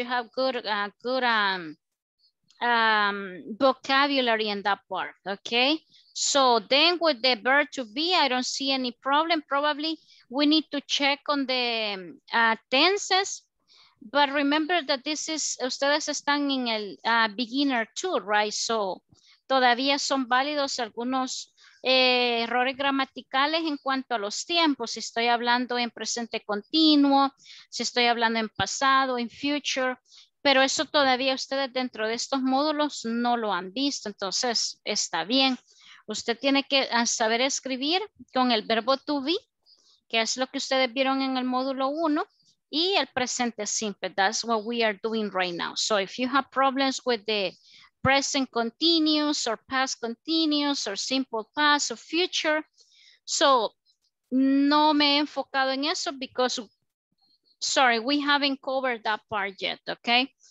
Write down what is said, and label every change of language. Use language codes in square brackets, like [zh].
[en] You have good vocabulary in that part, okay? So then with the verb to be, I don't see any problem. Probably we need to check on the tenses. But remember that this is, [es] ustedes están en el [en] beginner too, right? [es] So todavía son válidos algunos errores gramaticales en cuanto a los tiempos. Si estoy hablando en presente continuo, si estoy hablando en pasado, en future. Pero eso todavía ustedes dentro de estos módulos no lo han visto. Entonces está bien. Usted tiene que saber escribir con el verbo to be, que es lo que ustedes vieron en el módulo 1. Y el presente simple, [en] that's what we are doing right now. So if you have problems with the present continuous or past continuous or simple past or future, so [es] no me he enfocado en eso [en] because, sorry, we haven't covered that part yet, okay?